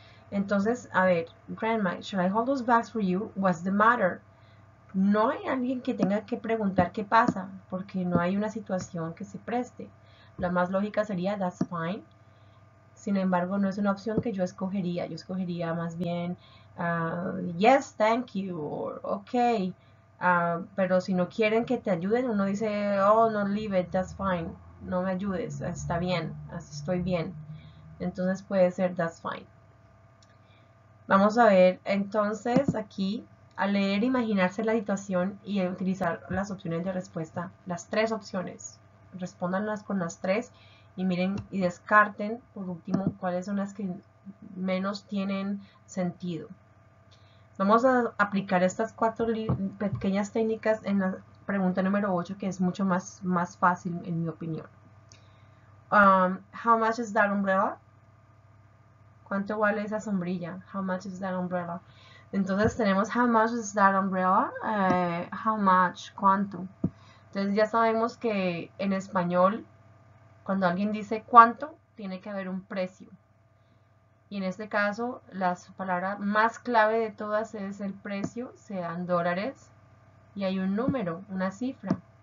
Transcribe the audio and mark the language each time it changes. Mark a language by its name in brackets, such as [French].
[Spanish] Entonces, a ver, [English] Grandma, should I hold those bags for you? What's the matter? [Spanish] No hay alguien que tenga que preguntar qué pasa, porque no hay una situación que se preste. La más lógica sería, [English] that's fine. [Spanish] Sin embargo, no es una opción que yo escogería. Yo escogería más bien, [English] yes, thank you, or ok. [Spanish] Pero si no quieren que te ayuden, uno dice, [English] oh, no, leave it, that's fine. [Spanish] no me ayudes, está bien, así estoy bien. Entonces puede ser [English] that's fine. [Spanish] Vamos a ver entonces aquí, a leer, imaginarse la situación y utilizar las opciones de respuesta, las tres opciones. Respóndanlas con las tres y miren y descarten por último cuáles son las que menos tienen sentido. Vamos a aplicar estas cuatro pequeñas técnicas en la pregunta número 8, que es mucho más fácil en mi opinión. [English] How much is that umbrella? [Spanish] ¿Cuánto vale esa sombrilla? [English] How much is that umbrella? [Spanish] Entonces tenemos [English] how much is that umbrella? How much, [Spanish] ¿cuánto? Entonces ya sabemos que en español, cuando alguien dice cuánto, tiene que haber un precio. Y en este caso, la palabra más clave de todas es el precio, sean dólares, y hay un número, una cifra.